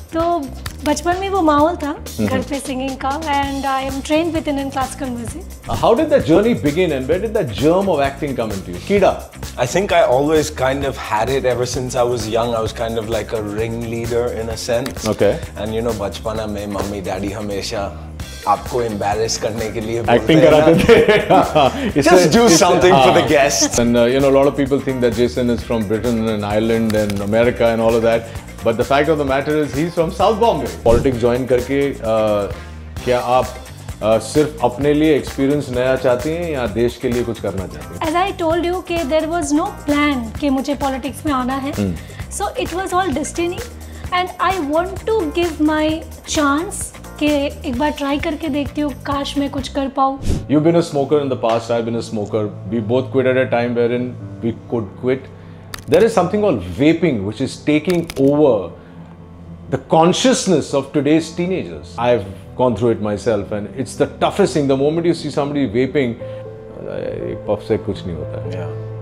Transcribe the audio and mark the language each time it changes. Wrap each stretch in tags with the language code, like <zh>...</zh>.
<hi>तो बचपन में वो माहौल था घर पे singing का,</hi> <en>and I am trained with Indian classical music. How did that journey begin, and where did that germ of acting come into you? Kida. I think I always kind of had it ever since I was young. I was kind of like a ringleader in a sense. Okay. And you know,</en> <hi>बचपन में mummy daddy हमेशा आपको embarrass करने के लिए acting कराते थे.</hi> <en>Just do something for the guests. And you know, a lot of people think that Jason is from Britain and Ireland and America and all of that. But the fact of the matter is, he's from South Bombay.</en> <hi>Politics join करके क्या आप सिर्फ अपने लिए experience नया चाहती हैं या देश के लिए कुछ करना चाहती हैं?</hi> <en>As I told you कि there was no plan</en> <hi>कि मुझे पॉलिटिक्स में आना है.</hi> <en>So it was all destiny, and I want to give my chance.</en> <hi>एक बार ट्राई करके देखती हूँ, काश मैं कुछ कर पाऊँ.</hi> <en>You've been a smoker in the past, I've been a smoker. We both quit at a time wherein we could quit. There is something called vaping, which is taking over the consciousness of today's teenagers. I've gone through it myself, and it's the toughest thing. The moment you see somebody vaping,</en> <hi>एक puff से कुछ नहीं होता.</hi>